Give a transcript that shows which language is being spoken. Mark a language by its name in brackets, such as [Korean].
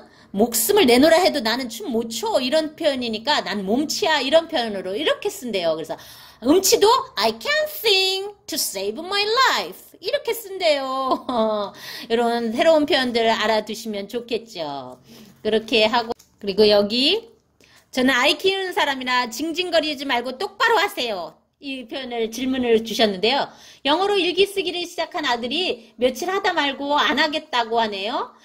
[Korean] 목숨을 내놓으라 해도 나는 춤못 춰. 이런 표현이니까 난 몸치야. 이런 표현으로 이렇게 쓴대요. 그래서 음치도 [English] I can sing to save my life. [Korean] 이렇게 쓴대요. 이런 새로운 표현들을 알아두시면 좋겠죠. 그렇게 하고. 그리고 여기 저는 아이 키우는 사람이라 징징거리지 말고 똑바로 하세요. 이 표현을 질문을 주셨는데요. 영어로 일기 쓰기를 시작한 아들이 며칠 하다 말고 안 하겠다고 하네요.